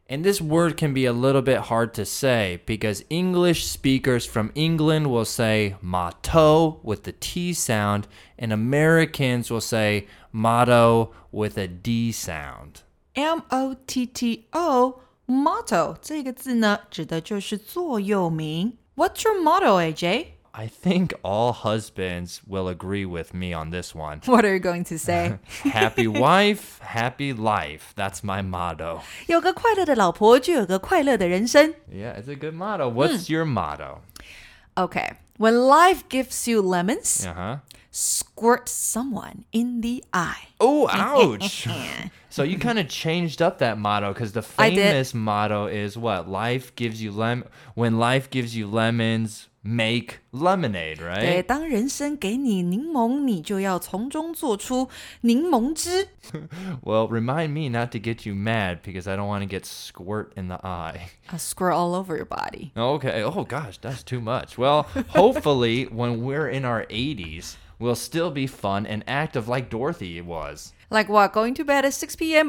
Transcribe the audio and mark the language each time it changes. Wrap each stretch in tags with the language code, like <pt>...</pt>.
<en>And this word can be a little bit hard to say because English speakers from England will say motto with the T sound and Americans will say motto with a D sound.</en> <zh>M-O-T-T-O, motto, 这个字呢指的就是座右铭。</zh> <en>What's your motto, AJ? I think all husbands will agree with me on this one. What are you going to say? Happy wife, happy life. That's my motto.</en> <zh>有个快乐的老婆就有个快乐的人生。</zh> <en>Yeah, it's a good motto. What's your motto? Okay, when life gives you lemons, squirt someone in the eye. Oh, ouch. So you kind of changed up that motto because the famous motto is what? Life gives you when life gives you lemons... Make lemonade, right?</en> <zh>对，当人生给你柠檬，你就要从中做出柠檬汁。</zh> <en>Well, remind me not to get you mad because I don't want to get squirt in the eye. A squirt all over your body. Okay, oh gosh, that's too much. Well, hopefully when we're in our 80s, we'll still be fun and active like Dorothy was. Like what, going to bed at 6 p.m.</en>